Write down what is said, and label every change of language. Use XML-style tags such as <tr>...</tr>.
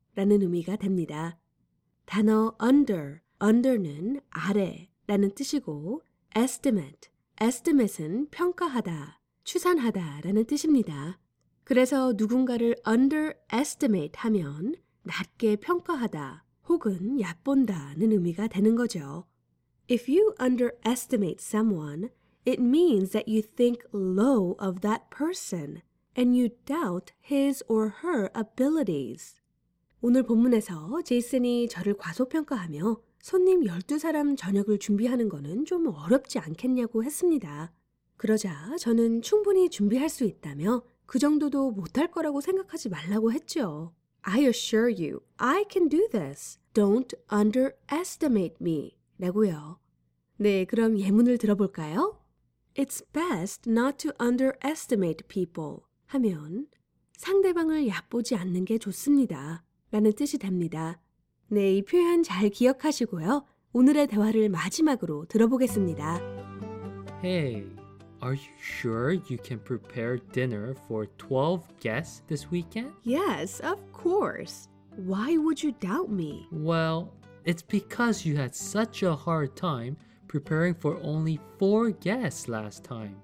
<ko>라는 의미가 됩니다. 단어 under, under는 아래 라는 뜻이고 estimate. Estimate은 평가하다, 추산하다 라는 뜻입니다. 그래서 누군가를 underestimate 하면 낮게 평가하다 혹은 얕본다는 의미가 되는 거죠.</ko> <en>If you underestimate someone, it means that you think low of that person and you doubt his or her abilities.</en> <ko>오늘 본문에서 제이슨이 저를 과소평가하며 손님 12사람 저녁을 준비하는 거는 좀 어렵지 않겠냐고 했습니다. 그러자 저는 충분히 준비할 수 있다며 그 정도도 못할 거라고 생각하지 말라고 했죠.</ko> <en>I assure you, I can do this. Don't underestimate me.</en> <ko>라고요. 네, 그럼 예문을 들어볼까요?</ko> <en>It's best not to underestimate people.</en> <ko>하면 상대방을 얕보지 않는 게 좋습니다. 라는 뜻이 됩니다. 네, 이 표현 잘 기억하시고요. 오늘의 대화를 마지막으로 들어보겠습니다.</ko> <en>Hey, are you sure you can prepare dinner for 12 guests this weekend? Yes, of course. Why would you doubt me? Well, it's because you had such a hard time preparing for only 4 guests last time.</en>